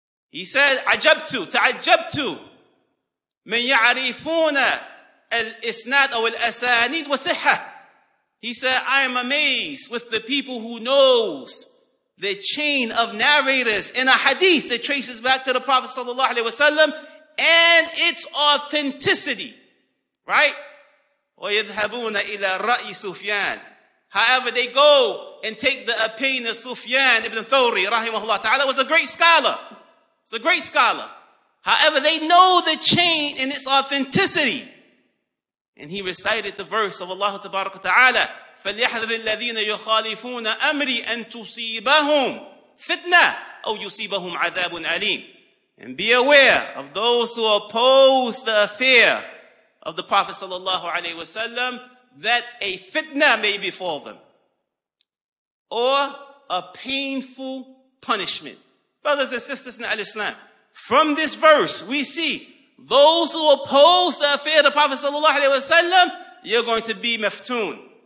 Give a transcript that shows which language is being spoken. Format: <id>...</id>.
<en>He said,</en> <ar>عجبت, تعجبت من يعرفون الإسناد أو الأسانيد وصحة.</ar> <en>He said, I am amazed with the people who knows the chain of narrators in a hadith that traces back to the Prophet sallallahu alaihi wasallam and its authenticity. Right?</en> <ar>ويذهبون إلى رأي سفيان.</ar> <en>However, they go and take the opinion of Sufyan ibn Thawri رحمه الله تعالى, was a great scholar. It's a great scholar. However, they know the chain and its authenticity. And he recited the verse of Allah tabaraka ta'ala,</en> <ar>فَلْيَحْذَرِ الَّذِينَ يُخَالِفُونَ أَمْرِي أَن تُصِيبَهُمْ فِتْنَةً أَوْ يُصِيبَهُمْ عَذَابٌ أَلِيمٌ.</ar> <en>And be aware of those who oppose the affair of the Prophet sallallahu alayhi wa sallam, that a fitna may befall them, or a painful punishment. Brothers and sisters in al-Islam, from this verse, we see those who oppose the affair of the Prophet sallallahu alayhi wa sallam, you're going to be maftoon.</en>